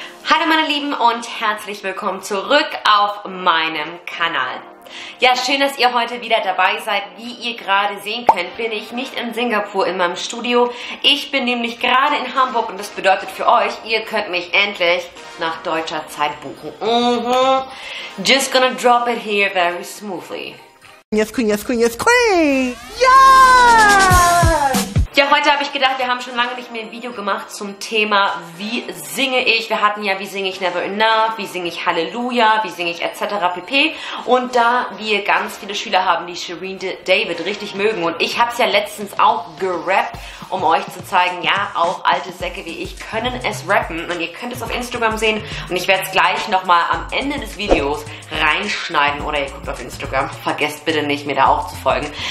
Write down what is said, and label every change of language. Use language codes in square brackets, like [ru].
[de] Hallo meine Lieben und herzlich willkommen zurück auf meinem Kanal. Ja, schön, dass ihr heute wieder dabei seid. Wie ihr gerade sehen könnt, bin ich nicht in Singapur in meinem Studio. Ich bin nämlich gerade in Hamburg und das bedeutet für euch, ihr könnt mich endlich nach deutscher Zeit buchen. Mhm. [en] Just gonna drop it here very smoothly. Yes, Queen, yes, Queen, yes, Queen! [de] Yeah! Ja, heute habe ich gedacht, wir haben schon lange nicht mehr ein Video gemacht zum Thema, wie singe ich? Wir hatten ja, wie singe ich Never Enough, wie singe ich Halleluja, wie singe ich etc. pp. Und da wir ganz viele Schüler haben, die Shireen David richtig mögen und ich habe es ja letztens auch gerappt, um euch zu zeigen, ja, auch alte Säcke wie ich können es rappen und ihr könnt es auf Instagram sehen und ich werde es gleich nochmal am Ende des Videos reinschneiden oder ihr guckt auf Instagram, vergesst bitte nicht, mir da auch zu folgen.